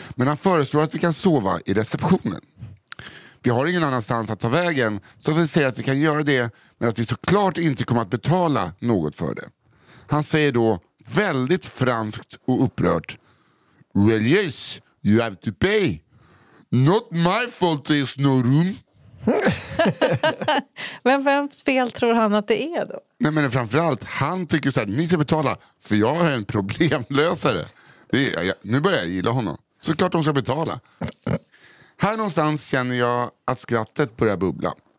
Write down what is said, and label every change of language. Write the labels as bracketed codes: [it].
[sv] Men han föreslår att vi kan sova i receptionen. Vi har ingen annanstans att ta vägen, så vi säger att vi kan göra det, men att vi såklart inte kommer att betala något för det. Han säger då väldigt franskt och upprört: [en] "Well yes, you have to pay. Not my fault there's no room." [sv] Men vems fel tror han att det är då? Nej, men framförallt, han tycker så här: ni ska betala, för jag är en problemlösare. Det är, nu börjar jag gilla honom. Såklart de ska betala. Här någonstans känner jag att skrattet börjar bubbla.